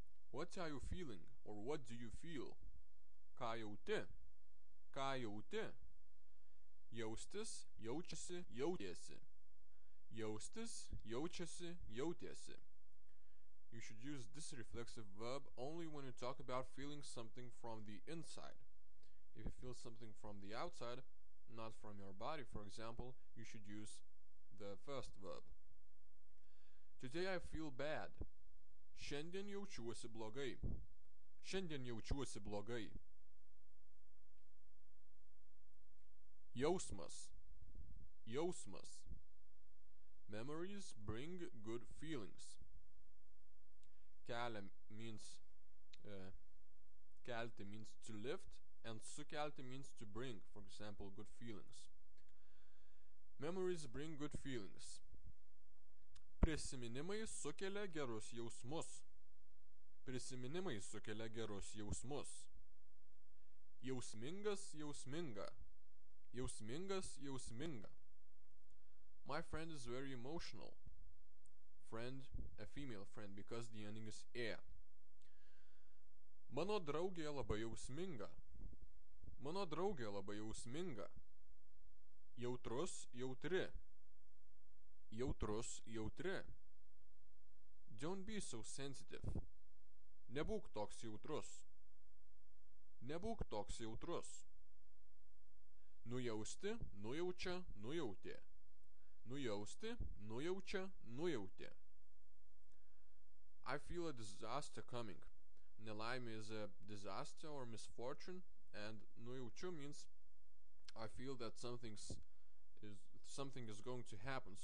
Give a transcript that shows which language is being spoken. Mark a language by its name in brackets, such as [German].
[English] What are you feeling or what do you feel? [Lithuanian] Ką jauti? Ką jauti? Jaustis, jaučiasi, jautėsi. Jaustis, jaučiasi, jautėsi. [English] You should use this reflexive verb only when you talk about feeling something from the inside. If you feel something from the outside, not from your body, for example, you should use the first verb. Today I feel bad. [Lithuanian] Šiandien jaučiuosi blogai. Šiandien jaučiuosi blogai. Jausmas. Jausmas. [English] Memories bring good feelings. Kelia means kelti means to lift, and sukelti means to bring, for example, good feelings. Memories bring good feelings. [Lithuanian] Prisiminimai sukelia gerus jausmus. Prisiminimai sukelia gerus jausmus. Jausmingas jausminga. Jausmingas jausminga. [English] My friend is very emotional. Friend, a female friend, because the ending is e. [Lithuanian] Mano draugė labai jausminga. Mano draugė labai jausminga. Jautrus, jautri. Jautrus, jautri. [English] Don't be so sensitive. [Lithuanian] Nebūk toks jautrus. Nebūk toks jautrus. Nujausti, nujaučia, nujautė. Nujausti, nujaučia, nujautė. [English] I feel a disaster coming. Nelaimė is a disaster or misfortune, and nujaučiu means I feel that something is going to happen.